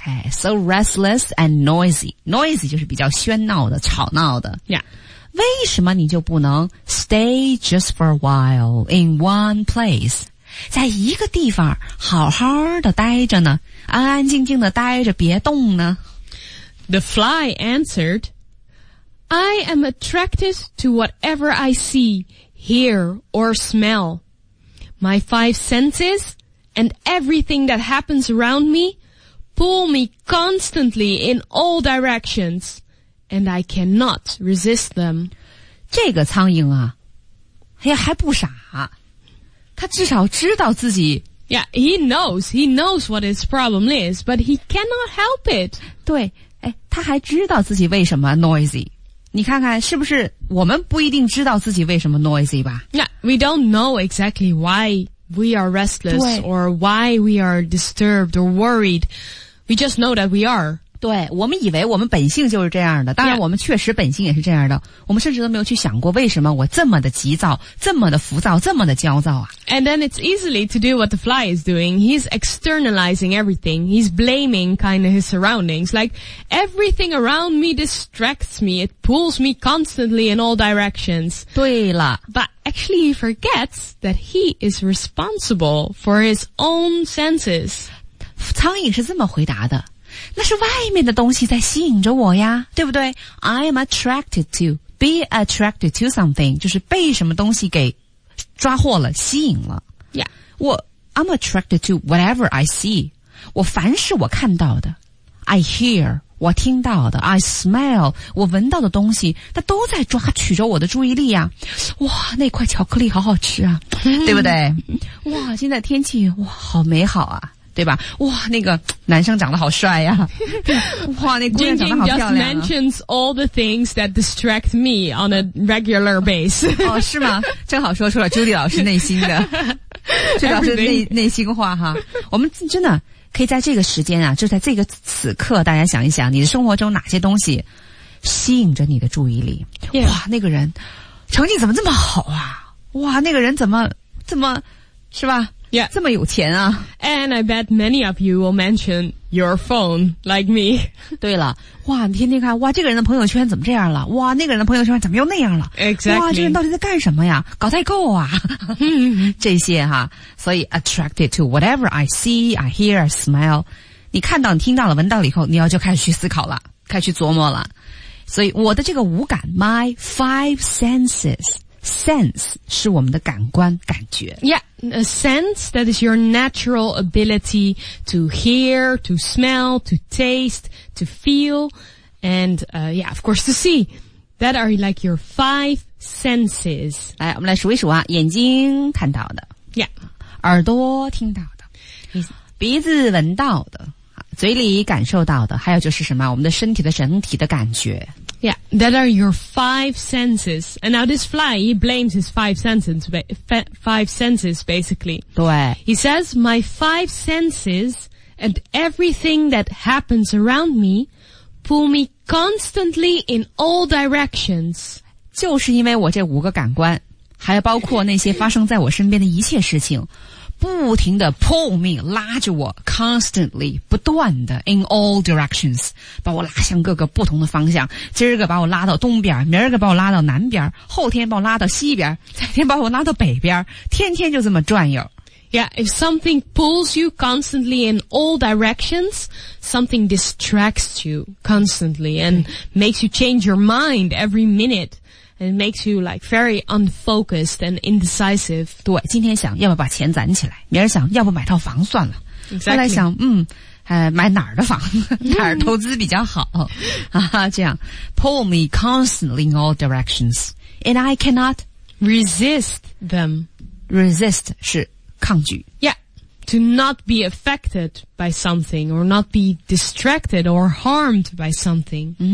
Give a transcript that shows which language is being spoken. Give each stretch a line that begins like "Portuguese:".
English: Hey, so restless and noisy. Noisy
Chinese: 就是比较喧闹的吵闹的。
English: Yeah.
Chinese: 为什么你就不能
English: stay just for a while in one place?
Chinese: 在一个地方好好的待着呢安安静静地待着别动呢
English: The fly answered I am attracted to whatever I see, hear or smell My five senses and everything that happens around me pull me constantly in all directions and I cannot resist them
Chinese: 这个苍蝇啊还不傻他至少知道自己
English: Yeah, he knows what his problem is, but he cannot help it.
Chinese: 对，哎，他还知道自己为什么 noisy。你看看是不是我们不一定知道自己为什么 noisy 吧
English: Yeah, we don't know exactly why we are restless or why we are disturbed or worried. We just know that we are.
Chinese: 对，我们以为我们本性就是这样的，当然我们确实本性也是这样的。
English: Yeah.
Chinese: 我们甚至都没有去想过为什么我这么的急躁，这么的浮躁，这么的焦躁啊。
English: And then it's easily to do what the fly is doing. He's externalizing everything. He's blaming kind of his surroundings. Like, everything around me distracts me. It pulls me constantly in all directions.
Chinese: 对了。
English: But actually he forgets that he is responsible for his own senses.
Chinese: 苍蝇是这么回答的。那是外面的东西在吸引着我呀，对不对？
English: I am attracted to, be attracted to something,
Chinese: 就是被什么东西给抓获了，吸引了。
English: Yeah. I'm attracted to whatever I see.
Chinese: 我凡是我看到的，
English: I hear,
Chinese: 我听到的，
English: I smell,
Chinese: 我闻到的东西，它都在抓取着我的注意力呀。哇，那块巧克力好好吃啊，对不对？哇，现在天气，哇，好美好啊。对吧？哇，那个男生长得好帅呀！哇，那姑娘长得好漂亮啊！
English: Jing Jing just mentions all the things that distract me on a regular base.
Chinese: 哦，是吗？正好说出了 Judy 老师内心的，这老师内心话哈。我们真的可以在这个时间啊，就在这个此刻，大家想一想，你的生活中哪些东西吸引着你的注意力？
English: Yeah.
Chinese: 哇，那个人成绩怎么这么好啊？哇，那个人怎么是吧？
English: Yeah.
Chinese: 这么有钱啊。
English: And I bet many of you will mention your phone, like me.
Chinese: 对了。哇，你天天看，哇，这个人的朋友圈怎么这样了？哇，那个人的朋友圈怎么又那样了？
English: Exactly.
Chinese: 哇，这个人到底在干什么呀？搞代购啊。这些哈。所以
English: attracted to whatever I see, I hear, I smell.
Chinese: 你看到，你听到了，闻到了以后，你要就开始去思考了，开始去琢磨了。所以我的这个五感，
English: my five senses,Sense
Chinese: 是我们的感官感觉。
English: Yeah, a sense that is your natural ability to hear, to smell, to taste, to feel, and yeah, of course to see. That are like your five senses.
Chinese: 来，我们来数一数啊，眼睛看到的。
English: Yeah.
Chinese: 耳朵听到的。鼻子闻到的。嘴里感受到的。还有就是什么，我们的身体的整体的感觉。
English: Yeah, that are your five senses. And now this fly, he blames his five senses, basically.
Chinese: 对。
English: He says, my five senses and everything that happens around me pull me constantly in all directions.
Chinese: 就是因为我这五个感官，还包括那些发生在我身边的一切事情，不停地
English: pull me,
Chinese: 拉着我 constantly, 不断地
English: in all directions,
Chinese: 把我拉向各个不同的方向，今儿个把我拉到东边，明儿个把我拉到南边，后天把我拉到西边，再天把我拉到北边，天天就这么转悠。
English: Yeah, if something pulls you constantly in all directions, something distracts you constantly and makes you change your mind every minute. It makes you like very unfocused and indecisive.
Chinese: 对，今天想要不把钱攒起来，明儿想要不买套房算了。
English: Exactly.
Chinese: 后来想，买哪儿的房，哪儿投资比较好啊？
English: 这样 pull me constantly in all directions, and I cannot resist them.
Chinese: Resist 是抗拒。
English: Yeah, to not be affected by something or not be distracted or harmed by something.